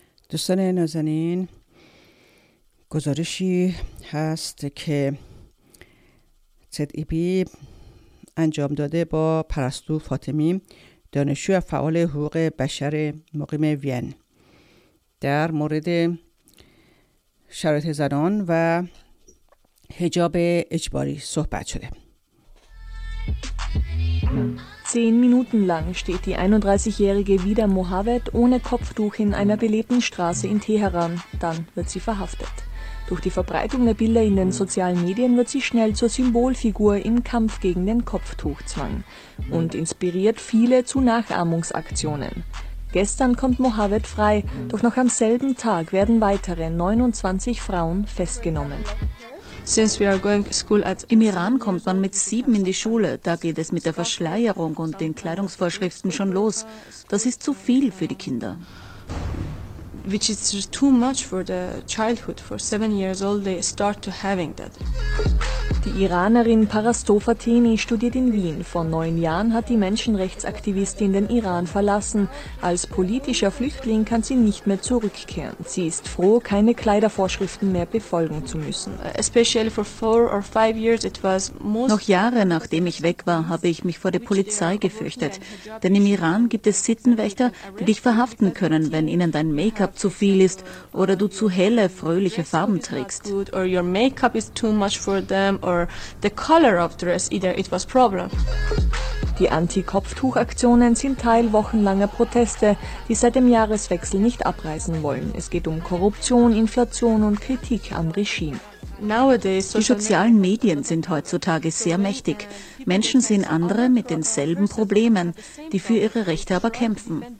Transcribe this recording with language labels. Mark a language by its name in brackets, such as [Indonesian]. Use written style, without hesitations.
[Persian] دوستان نازنین، گزارشی هست که ZEB انجام داده با پرستو فاطمی، دانشجو فعال حقوق بشر مقیم وین، در مورد شرایط زنان و حجاب اجباری صحبت شده. [German] Zehn Minuten lang steht die 31-Jährige wieder Mohavet ohne Kopftuch in einer belebten Straße in Teheran. Dann wird sie verhaftet. Durch die Verbreitung der Bilder in den sozialen Medien wird sie schnell zur Symbolfigur im Kampf gegen den Kopftuchzwang und inspiriert viele zu Nachahmungsaktionen. Gestern kommt Mohavet frei, doch noch am selben Tag werden weitere 29 Frauen festgenommen. [English] Since we are going to school at [German] Im Iran kommt man mit 7 in die Schule. Da geht es mit der Verschleierung und den Kleidungsvorschriften schon los. Das ist zu viel für die Kinder. [English] Which is too much for the childhood. For 7 years old they start to having that. [German] Die Iranerin Parasto Fatemi studiert in Wien. Vor 9 Jahren hat die Menschenrechtsaktivistin den Iran verlassen. Als politischer Flüchtling kann sie nicht mehr zurückkehren. Sie ist froh, keine Kleidervorschriften mehr befolgen zu müssen. [English] Especially for 4 or 5 years it was most. [German] Noch Jahre nachdem ich weg war, habe ich mich vor der Polizei gefürchtet. Denn im Iran gibt es Sittenwächter, die dich verhaften können, wenn ihnen dein Make-up zu viel ist oder du zu helle, fröhliche Farben trägst. [English] Or your make-up is too much for them. Or the color of dress either it was problem. [German] Die Anti-Kopftuch-Aktionen sind Teil wochenlanger Proteste, die seit dem Jahreswechsel nicht abreißen wollen. Es geht um Korruption, Inflation und Kritik am Regime. Die sozialen Medien sind heutzutage sehr mächtig. Menschen sehen andere mit denselben Problemen, die für ihre Rechte aber kämpfen.